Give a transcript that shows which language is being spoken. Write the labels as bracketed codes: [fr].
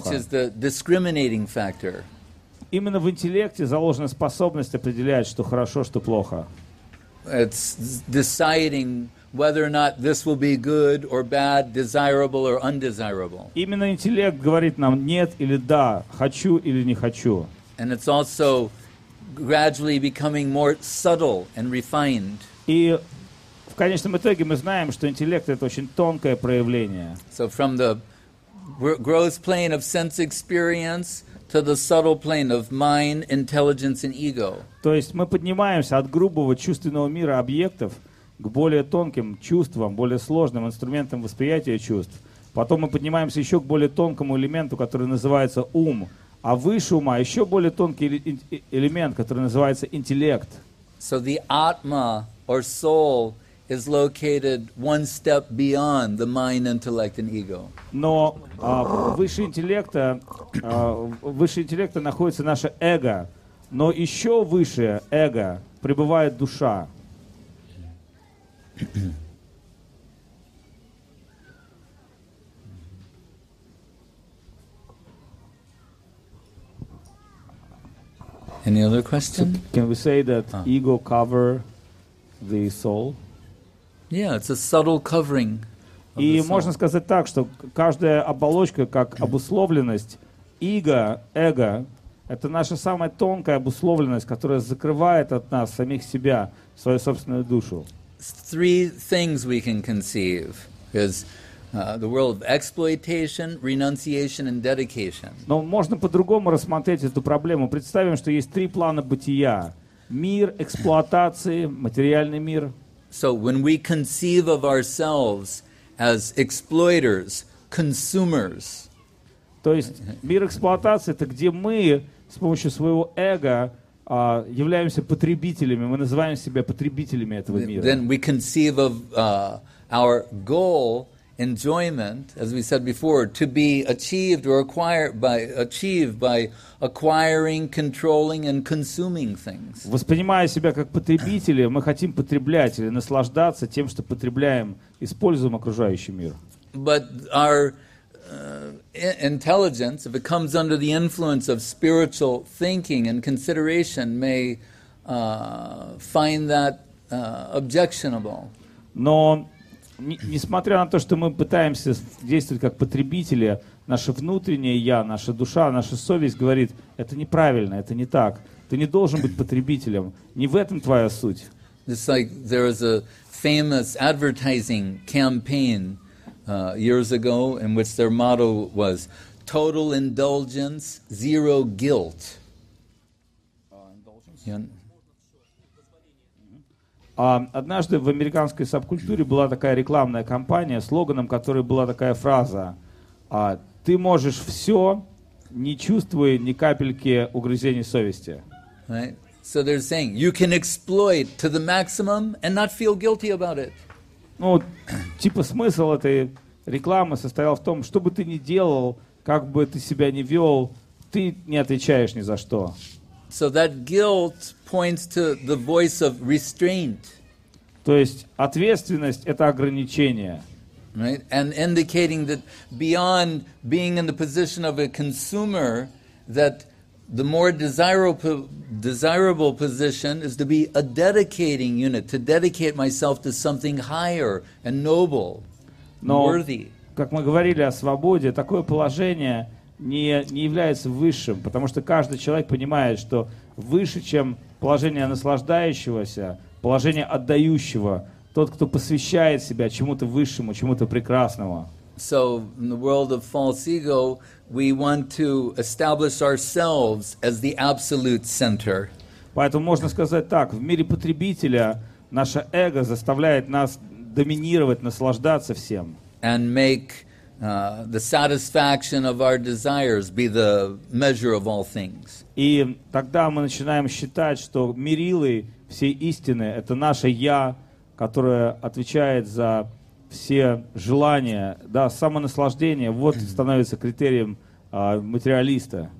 [en] Which is the discriminating factor. [ru] Именно в интеллекте заложена способность определять, что хорошо, что плохо. [en] It's deciding whether or not this will be good or bad, desirable or undesirable. [ru] Именно интеллект говорит нам нет или да, хочу или не хочу. [en] And it's also gradually becoming more subtle and refined. [ru] И в конечном итоге мы знаем, что интеллект — это очень тонкое проявление. [en] So from the growth plane of sense experience to the subtle plane of mind, intelligence, and ego. [ru] То есть мы поднимаемся от грубого чувственного мира объектов к более тонким чувствам, более сложным инструментам восприятия чувств. Потом мы поднимаемся еще к более тонкому элементу, который называется ум. А выше ума еще более тонкий элемент, который называется интеллект. [en] So the Atma or soul is located one step beyond the mind, intellect, and ego. [ru] Но выше интеллекта находится наше эго. Но еще выше эго пребывает душа. [en] Any other question? Can we say that ego cover the soul? Yeah, it's a subtle covering. [ru] И можно сказать так, что каждая оболочка как обусловленность эго, это наша самая тонкая обусловленность, которая закрывает от нас самих себя, свою собственную душу. [en] Three things we can conceive is the world of exploitation, renunciation, and dedication. [ru] Но можно по-другому рассмотреть эту проблему. Представим, что есть три плана бытия: мир эксплуатации, материальный мир. [en] So when we conceive of ourselves as exploiters, consumers. [ru] То есть мир эксплуатации — это где мы с помощью своего эго являемся потребителями, мы называем себя потребителями этого мира. [en] Then we conceive of our goal, enjoyment, as we said before, to be achieved by acquiring, controlling, and consuming things. [ru] Воспринимая себя как потребителя, мы хотим потреблять или наслаждаться тем, что потребляем, используем окружающий мир. [en] But our intelligence, if it comes under the influence of spiritual thinking and consideration, may find that objectionable. [ru] Но несмотря на то, что мы пытаемся действовать как потребители, наше внутреннее я, наша душа, наша совесть говорит: это неправильно, это не так. Ты не должен быть потребителем. Не в этом твоя суть. [en] It's like there was a famous advertising campaign years ago, in which their motto was "total indulgence, zero guilt." [ru] Однажды в американской субкультуре была такая рекламная кампания, слоганом которой была такая фраза: «Ты можешь все, не чувствуя ни капельки угрызений совести». [en] Right. So they're saying you can exploit to the maximum and not feel guilty about it. [ru] Ну, типа смысл этой рекламы состоял в том, что бы ты ни делал, как бы ты себя ни вел, ты не отвечаешь ни за что. [en] So that guilt points to the voice of restraint. [ru] То есть ответственность — это ограничение. [en] Right? And indicating that beyond being in the position of a consumer, that the more desirable position is to be a dedicating unit, to dedicate myself to something higher and noble, worthy. [ru] Как мы говорили о свободе, такое положение не является высшим, потому что каждый человек понимает, что выше, чем положение наслаждающегося, положение отдающего, тот, кто посвящает себя чему-то высшему, чему-то прекрасному. [en] So in the world of false ego, we want to establish ourselves as the absolute center. [ru] Поэтому можно сказать так: в мире потребителя наше эго заставляет нас доминировать, наслаждаться всем. [en] And make the satisfaction of our desires be the measure of all things. [ru] И тогда мы начинаем считать, что мерилы всей истины — это наше я, которое отвечает за все желания, да, самонаслаждение. Вот становится критерием материалиста.